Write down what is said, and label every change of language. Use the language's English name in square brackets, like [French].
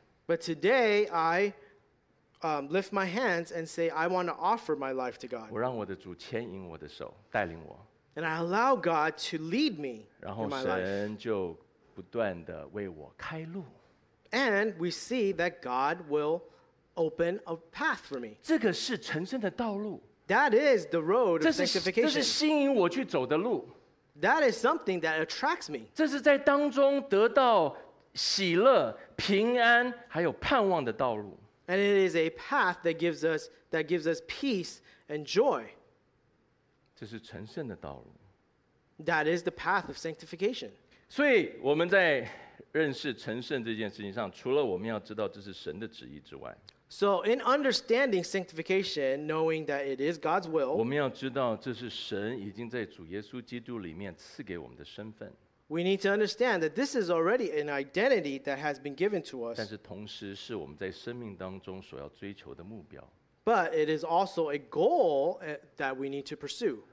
[English] But today, I lift my hands and say, I want to offer my life to God. [Chinese] 我让我的主牵引我的手，带领我。 [English] And I allow God to lead me in my life. [Chinese] 然后神就不断地为我开路。 [English] And we see that God will open a path for me. [Chinese] 这个是成圣的道路。 [English] That is the road of sanctification. [Chinese] 这是吸引我去走的路。 [English] That is something that attracts me. [Chinese] 这是在当中得到喜乐、平安还有盼望的道路。 [English] And it is a path that gives us, peace and joy. [Chinese] 这是成圣的道路。 [English] That is the path of sanctification. [Chinese] 所以我们在认识成圣这件事情上，除了我们要知道这是神的旨意之外， [English] So in understanding sanctification, knowing that it is God's will, [Chinese] 我们要知道这是神已经在主耶稣基督里面赐给我们的身份。 [English] We need to understand that this is already an identity that has been given to us. [Chinese] 但是同时是我们在生命当中所要追求的目标。 [English] But it is also a goal that we need to pursue.